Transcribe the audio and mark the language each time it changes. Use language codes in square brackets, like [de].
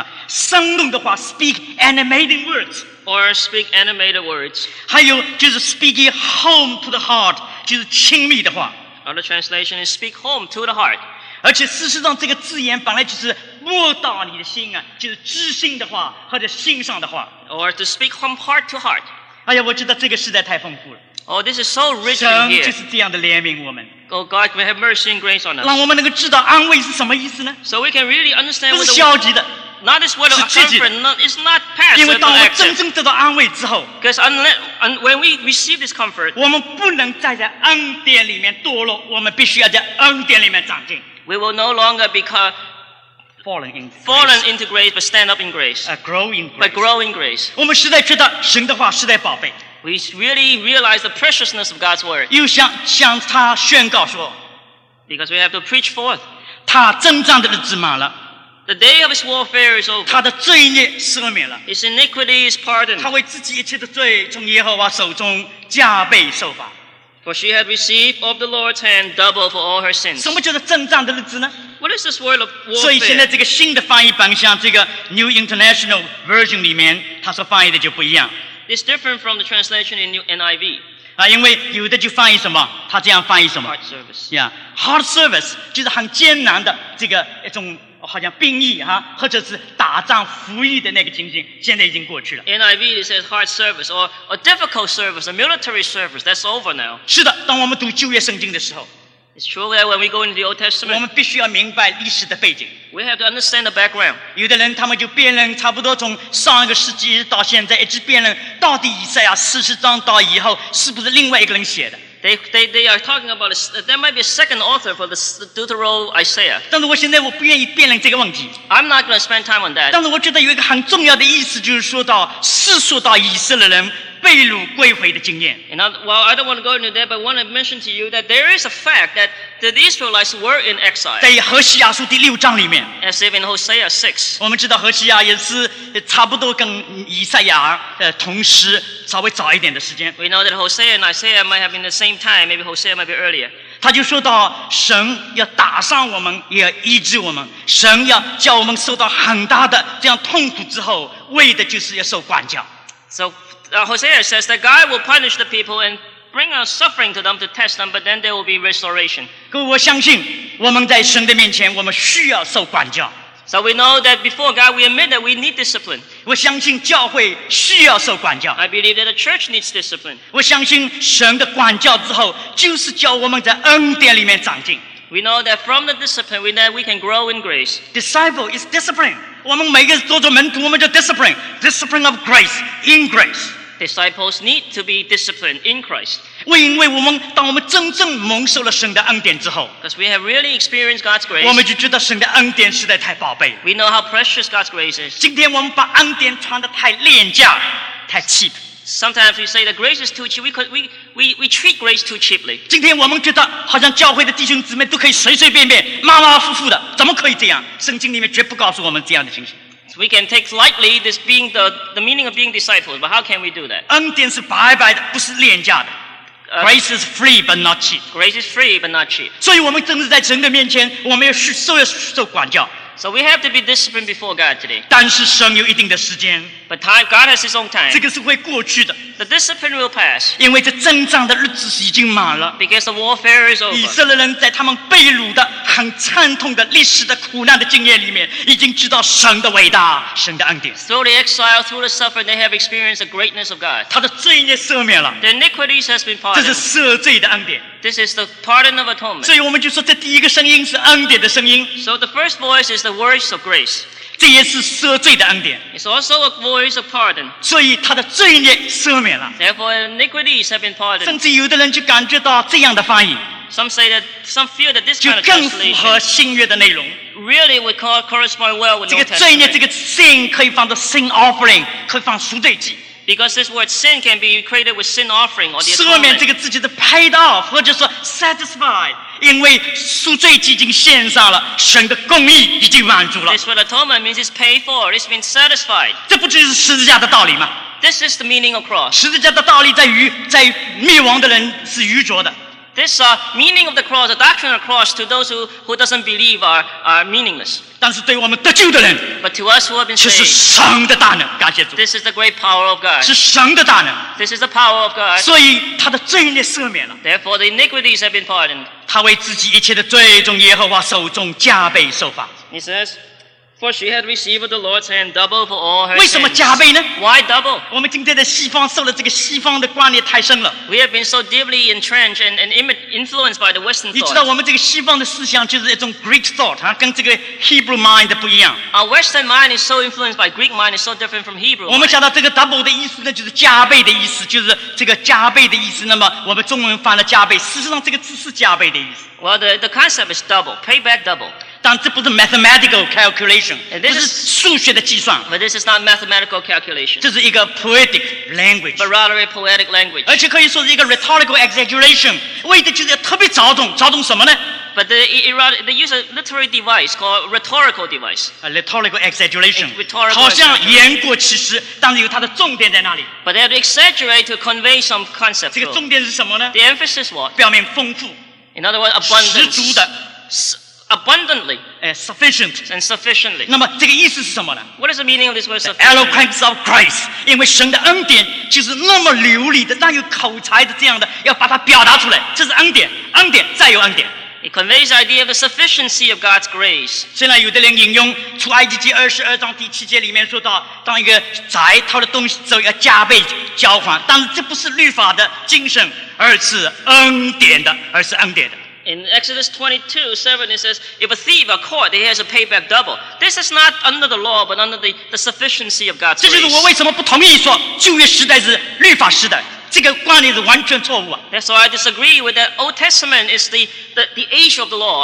[zh] 生动的话 [en] speak animating words. Or speak animated words. [zh] 还有就是 [en] speak home to the heart, [zh] 就是亲密的话。 [en] Other translation is speak home to the heart. [zh] 而且事实上这个字眼本来就是摸到你的心啊，就是知心的话或者心上的话。 [en] Or to speak from heart to heart. [zh] 哎呀，我觉得这个实在太丰富了。 [en] Oh, this is so rich in here. [zh] 神就是这样的怜悯我们。 [en] Oh, God, may have mercy and grace on us. [zh] 让我们能够知道安慰是什么意思呢 [en] ？So we can really understand. [zh] 不是消极的。 [en] Not this word of comfort. It's not passive. [zh] 因为当我真正得到安慰之后 [en] ，Because when we receive this comfort, [zh] 我们不能再在恩典里面堕落，我们必须要在恩典里面长进。 [en] We will no longer become fallen into grace, but stand up in grace. Grow in grace. [zh] 我们实在觉得神的话实在宝贝。 [en] We really realize the preciousness of God's word. [zh] 又向他宣告说 [en] ，Because we have to preach forth. [zh] 他征战的日子满了 [en] The day of his warfare is over. [zh] 他的罪孽赦免了。 [en] His iniquity is pardoned. [zh] 他为自己一切的罪从耶和华手中加倍受罚。 [en] For she had received of the Lord's hand double for all her sins. [zh] 什么叫做征战的日子呢？ [en] What is this word of warfare? [zh] 所以现在这个新的翻译版像这个 New International Version 里面它所翻译的就不一样。 [en] It's different from the translation in New NIV. [zh] 啊，因为有的就翻译什么，它这样翻译什么。 [en] Hard service. Yeah, hard service [zh] 就是很艰难的这个一种好像兵役哈，或者是打仗服役的那个情形，现在已经过去了。 [en] NIV it says hard service or a difficult service, a military service. That's over now. [zh] 是的，当我们读旧约圣经的时候。 [en] It's true that when we go into the Old Testament, [zh] 我们必须要明白历史的背景。 [en] We have to understand the background. [zh] 有的人他们就辩论，差不多从上一个世纪到现在，一直辩论到底以赛亚四十章到以后是不是另外一个人写的。 [en] They are talking about there might be a second author for the Deuteronomy Isaiah. [zh] 但是我现在我不愿意辩论这个问题。 [en] I'm not going to spend time on that. [zh] 但是我觉得有一个很重要的意思，就是说到四述到以色列人被掳归回的经验。 [en] I don't want to go into that, but I want to mention to you that there is a fact that the Israelites were in exile. [zh] 在何西亚书第六章里面。 [en] As if in Hosea 6. [zh] 我们知道何西亚也是差不多跟以赛亚同时稍微早一点的时间。 [en] We know that Hosea and Isaiah might have been the same time. Maybe Hosea might be earlier. [zh] 他就说到神要打伤我们，也要医治我们。神要叫我们受到很大的这样痛苦之后，为的就是要受管教。 [en] Hosea says that God will punish the people and bring a suffering to them to test them, but then there will be restoration. [zh] 各位，我相信我们在神的面前，我们需要受管教。 [en] So we know that before God, we admit that we need discipline. [zh] 我相信教会需要受管教。 [en] I believe that the church needs discipline. [zh] 我相信神的管教之后，就是叫我们在恩典里面长进。 [en] We know that from the discipline, we know we can grow in grace. Disciple is discipline. [zh] 我们每个人做着门徒，我们就 [en] discipline, discipline of grace, in grace. Disciples need to be disciplined in Christ. [zh] 因为我们当我们真正蒙受了神的恩典之后， [en] because we have really experienced God's grace, [zh] 我们就知道神的恩典实在太宝贝。 [en] We know how precious God's grace is. [zh] 今天我们把恩典穿得太廉价，太 cheap. [en] Sometimes we say that grace is too cheap. We treat grace too cheaply. [zh] 今天我们觉得好像教会的弟兄姊妹都可以随随便便、马马虎虎的，怎么可以这样？圣经里面绝不告诉我们这样的情形。 [en] So、we can take lightly this being the meaning of being disciples, but how can we do that? [zh] 恩典是白白的，不是廉价的。 [en] Grace is free but not cheap. Grace is free but not cheap. [zh] 所以我们正是在神的面前，我们要受管教。 [en] So we have to be disciplined before God today. [zh] 但是神有一定的时间。 [en] But time, God has His own time. [zh] 这个是会过去的。 [en] The discipline will pass. [zh] 因为这征战的日子已经满了。 [en] Because the warfare is over. [zh] 以色列人在他们被掳的很惨痛的历史的苦难的经验里面，已经知道神的伟大，神的恩典。 [en] Through the exile, through the suffering, they have experienced the greatness of God. [zh] 他的罪孽赦免了。 [en] The iniquities has been pardoned. [zh] 这是赦罪的恩典。 [en] This is the pardon of atonement. [zh] 所以我们就说，这第一个声音是恩典的声音。 [en] So the first voice is the voice of grace. [zh] 这也是赦罪的恩典。 [en] It's also a voice of pardon. [zh] 所以他的罪孽赦免了。 [en] Therefore, iniquities have been pardoned. [zh] 甚至有的人就感觉到这样的翻译。 [en] Some say that some feel that this kind of translation [zh] 就更符合新约的内容。 [en] Really, we correspond well with the Old Testament. [zh] 这个罪孽，这个 sin 可以放到 sin offering， 可以放赎罪祭。 [en] Because this word sin can be created with sin offering or the atonement. [zh] 赦免这个字就是 [en] paid off， [zh] 或者说 satisfied， 因为赎罪祭已经献上了，神的公义已经满足了。 [en] This word atonement means it's paid for. It's been satisfied. [zh] 这不就是十字架的道理吗？ [en] This is the meaning of cross. [zh] 十字架的道理在灭亡的人是愚拙的。 [en] This meaning of the cross, the doctrine of the cross, to those who doesn't believe are meaningless. [zh] 但是对我们得救的人， [en] but to us who have been saved, [zh] 是神的大能，感谢主。 [en] This is the great power of God. [zh] 是神的大能。 [en] This is the power of God. [zh] 所以他的罪孽赦免了。 [en] Therefore, the iniquities have been pardoned. [zh] 他为自己一切的罪从耶和华手中加倍受罚。 [en] He says, for she had received the Lord's hand double for all her sins. [zh] 为什么加倍呢？ [en] Why double? [zh] 我们今天在西方受了这个西方的观念太深了。 [en] We have been so deeply entrenched and influenced by the Western thought. [zh] 你知道我们这个西方的思想就是一种 [en] Greek thought， [zh] 跟这个 [en] Hebrew mind [zh] 不一样。 [en] Our Western mind is so influenced by Greek mind, it's so different from Hebrew mind. [zh] 我们想到这个 double 的意思呢，就是加倍的意思，就是这个加倍的意思。那么我们中文翻了加倍，事实上这个字是加倍的意思。 [en] Well, the concept is double, payback double. [zh] 但这不是 [en] mathematical calculation， [zh] 这是数学的计算。 [en] But this is not mathematical calculation. [zh] 这是一个 [en] poetic language. But rather a poetic language. [zh] 而且可以说是一个 [en] rhetorical exaggeration， [zh] 为的就是特别躁动，躁动什么呢？ [en] But they use a literary device called rhetorical device. A rhetorical exaggeration. A rhetorical [zh] 好像言过其实，但是有它的重点在哪里 [en] ？But they have to exaggerate to convey some concept. [zh] 这个重点是什么呢 [en] ？The emphasis what? [zh] 表面丰富。 [en] In other words, abundance. [zh] 十足的。 [en] Abundantly. Sufficient. And sufficiently. [zh] 那么这个意思是什么呢 [en] ？What is the meaning of this word? The eloquence of Christ. [zh] 因为神的恩典就是那么流利的，那有口才的这样的，要把它表达出来，这是恩典，恩典再有恩典。 [en] It conveys the idea of the sufficiency of God's grace. [zh] 虽然有的人引用出埃及记二十二章第七节里面说到，当一个宰他的东西之后要加倍交还，但是这不是律法的精神，而是恩典的，而是恩典的。 [en] In Exodus 22:7, it says, "If a thief are caught, he has to pay back double." This is not under the law, but under the sufficiency of God's grace. [zh] 这就是我为什么不同意说旧约时代是律法时代。这个观念是完全错误啊 [en] That's why I disagree with that. Old Testament is the age of the law.